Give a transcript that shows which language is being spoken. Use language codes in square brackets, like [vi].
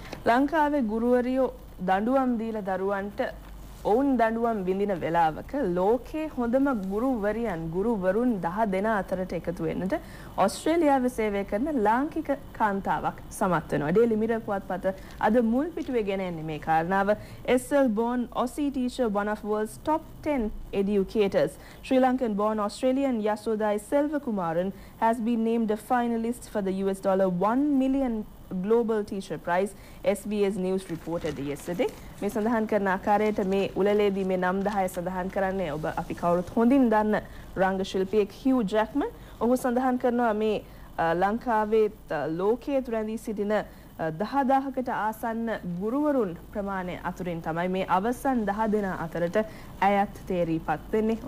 [si] ලංකාවේ ගුරුවරියෝ දඬුවම් දීලා දරුවන්ට ඔවුන් දඬුවම් විඳින වෙලාවක ලෝකයේ හොඳම ගුරුවරියන් ගුරුවරුන් 10 දෙනා අතරට එකතු වෙන්නට ඔස්ට්‍රේලියාවේ සේවය කරන ලාංකික කාන්තාවක් සමත් වෙනවා. ඩේලි මිරර් පුවත්පත අද මුල් පිටුවේ ගෙන යන්නේ මේ කාරණාව. [en] SL born Aussie teacher one of world's top 10 educators. Sri Lankan born Australian Yasodhai Selvakumaran has been named a finalist for the US$1 million Global Teacher Prize, SBS News reported yesterday. [si] මේ සඳහන් කරන ආකාරයට මේ උළෙලේදී මේ නම් 10 සඳහන් කරන්නේ ඔබ අපි කවුරුත් හොඳින් දන්න රංග ශිල්පියෙක් Hugh Jackman. ඔහු සඳහන් කරනවා මේ ලංකාවේ ලෝකයේ තුරැඳී සිටින 10,000කට ආසන්න ගුරුවරුන් ප්‍රමාණය අතුරින් තමයි මේ අවසන් 10 දෙනා අතරට ඇයත් තේරීපත් වෙන්නේ.